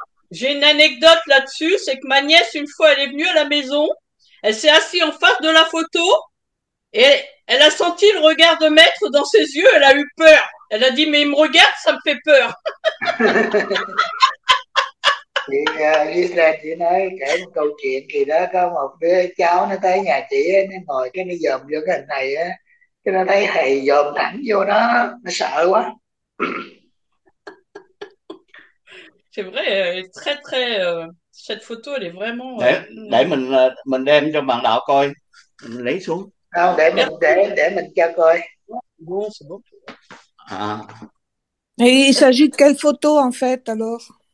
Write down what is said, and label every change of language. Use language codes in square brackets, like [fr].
[fr] J'ai une anecdote là-dessus, c'est que ma nièce, une fois, elle est venue à la maison, elle s'est assise en face de la photo, et elle a senti le regard de maître dans ses yeux, elle a eu peur. Elle a dit, mais il me regarde, ça me fait peur. [vi] Lisa chị nói kể một câu chuyện kỳ đó, có một đứa cháu nó tới nhà chị ấy, nó ngồi cái nó dòm vô cái hình này á, cái nó thấy thầy dòm thẳng vô nó sợ quá. [fr] C'est vrai, très très cette photo elle est vraiment [vi] Để mình đem cho bạn đạo coi, mình lấy xuống. không, để mình để mình cho coi. [fr] Bon, c'est bon. À. Il s'agit de quelle photo en fait alors?